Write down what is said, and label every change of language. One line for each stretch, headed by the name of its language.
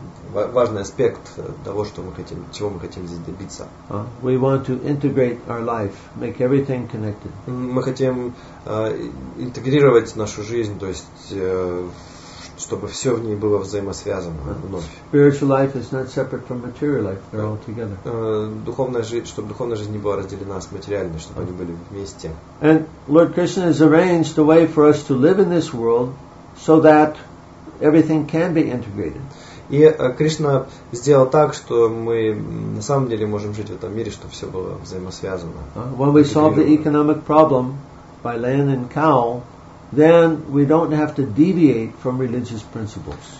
Russian: важный аспект того, что мы хотим, чего мы хотим здесь добиться.
English: We want to integrate our life, make everything connected.
Russian: Мы хотим интегрировать нашу жизнь, то есть чтобы все в ней было взаимосвязано вновь.
English: Spiritual life is not separate from material life, they're all together.
Russian: Духовная жизнь, чтобы духовная жизнь не была разделена с материальной, чтобы они были вместе.
English: And Lord Krishna has arranged a way for us to live in this world so that everything can be integrated.
Russian: И Кришна сделал так, что мы на самом деле можем жить в этом мире, чтобы все было взаимосвязано.
English: When we solve the economic problem by land and cow, then we don't have to deviate from religious principles.